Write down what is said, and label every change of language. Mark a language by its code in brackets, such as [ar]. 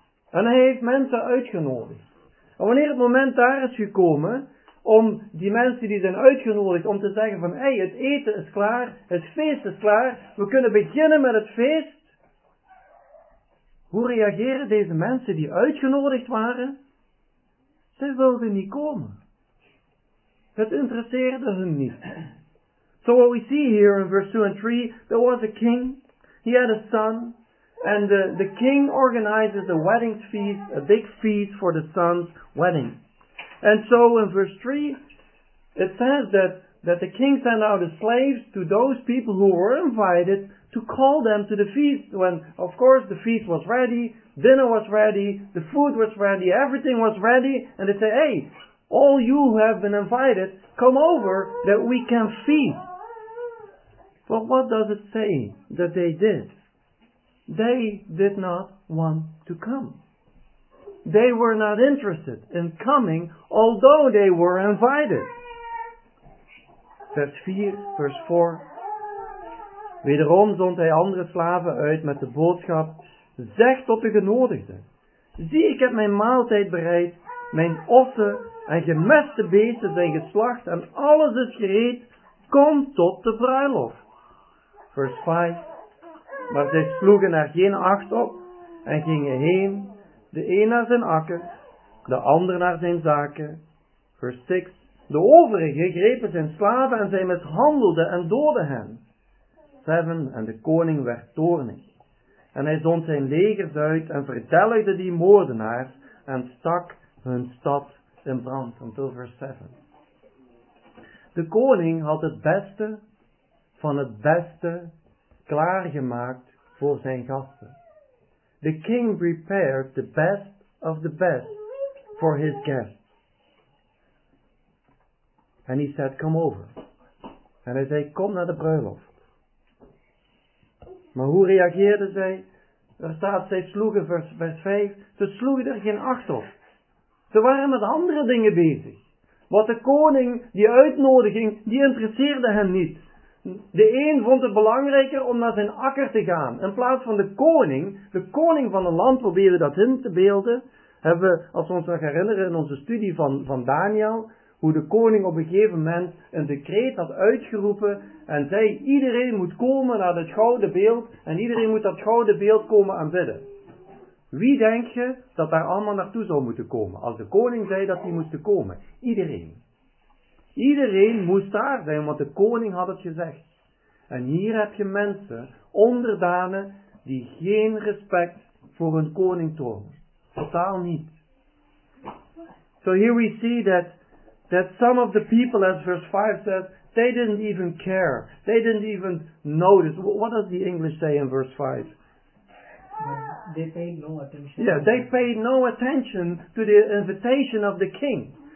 [nl] En hij heeft mensen uitgenodigd. En wanneer het moment daar is gekomen, om die mensen die zijn uitgenodigd, om te zeggen van, hey, het eten is klaar, het feest is klaar, we kunnen beginnen met het feest. Hoe reageren deze mensen die uitgenodigd waren? Ze wilden niet komen. Het interesseerde hun niet. [en] So what we see here in verse 2 and 3, there was a king, he had a son, and the king organizes a wedding feast, a big feast for the son's wedding. And so in verse 3, it says that the king sent out his slaves to those people who were invited to call them to the feast, when, of course, the feast was ready, dinner was ready, the food was ready, everything was ready, and they say, hey, all you who have been invited, come over that we can feast. But what does it say that they did? They did not want to come. They were not interested in coming, although they were invited. [nl] Vers 4, vers 4. Wederom zond hij andere slaven uit met de boodschap, zeg tot de genodigden, zie, ik heb mijn maaltijd bereid, mijn ossen en gemeste beesten zijn geslacht en alles is gereed, kom tot de bruiloft. Vers 5. Maar zij sloegen er geen acht op en gingen heen, de een naar zijn akker, de ander naar zijn zaken. Vers 6. De overigen grepen zijn slaven en zij mishandelden en doodden hen. 7. En de koning werd toornig. En hij zond zijn legers uit en verdelgde die moordenaars en stak hun stad in brand. [en] Until verse 7. [nl] De koning had het beste van het beste klaargemaakt voor zijn gasten. [en] The king prepared the best of the best for his guests. And he said, come over. [nl] En hij zei, kom naar de bruiloft. Maar hoe reageerden zij? Er staat, zij sloegen, vers 5, ze sloegen er geen acht op. Ze waren met andere dingen bezig. Want de koning, die uitnodiging, die interesseerde hen niet. De een vond het belangrijker om naar zijn akker te gaan. In plaats van de koning van een land probeerde dat in te beelden. Hebben we, als we ons nog herinneren, in onze studie van Daniel, hoe de koning op een gegeven moment een decreet had uitgeroepen en zei, iedereen moet komen naar het gouden beeld en iedereen moet dat gouden beeld komen aanbidden. Wie denk je dat daar allemaal naartoe zou moeten komen? Als de koning zei dat die moesten komen. Iedereen. Iedereen moest daar zijn, want de koning had het gezegd. En hier heb je mensen, onderdanen, die geen respect voor hun koning tonen. Totaal niet. [en] So here we see that some of the people, as verse 5 says, they didn't even care. They didn't even notice. What does the English say in verse 5? They paid no attention. Yeah, they paid no attention to the invitation of the king.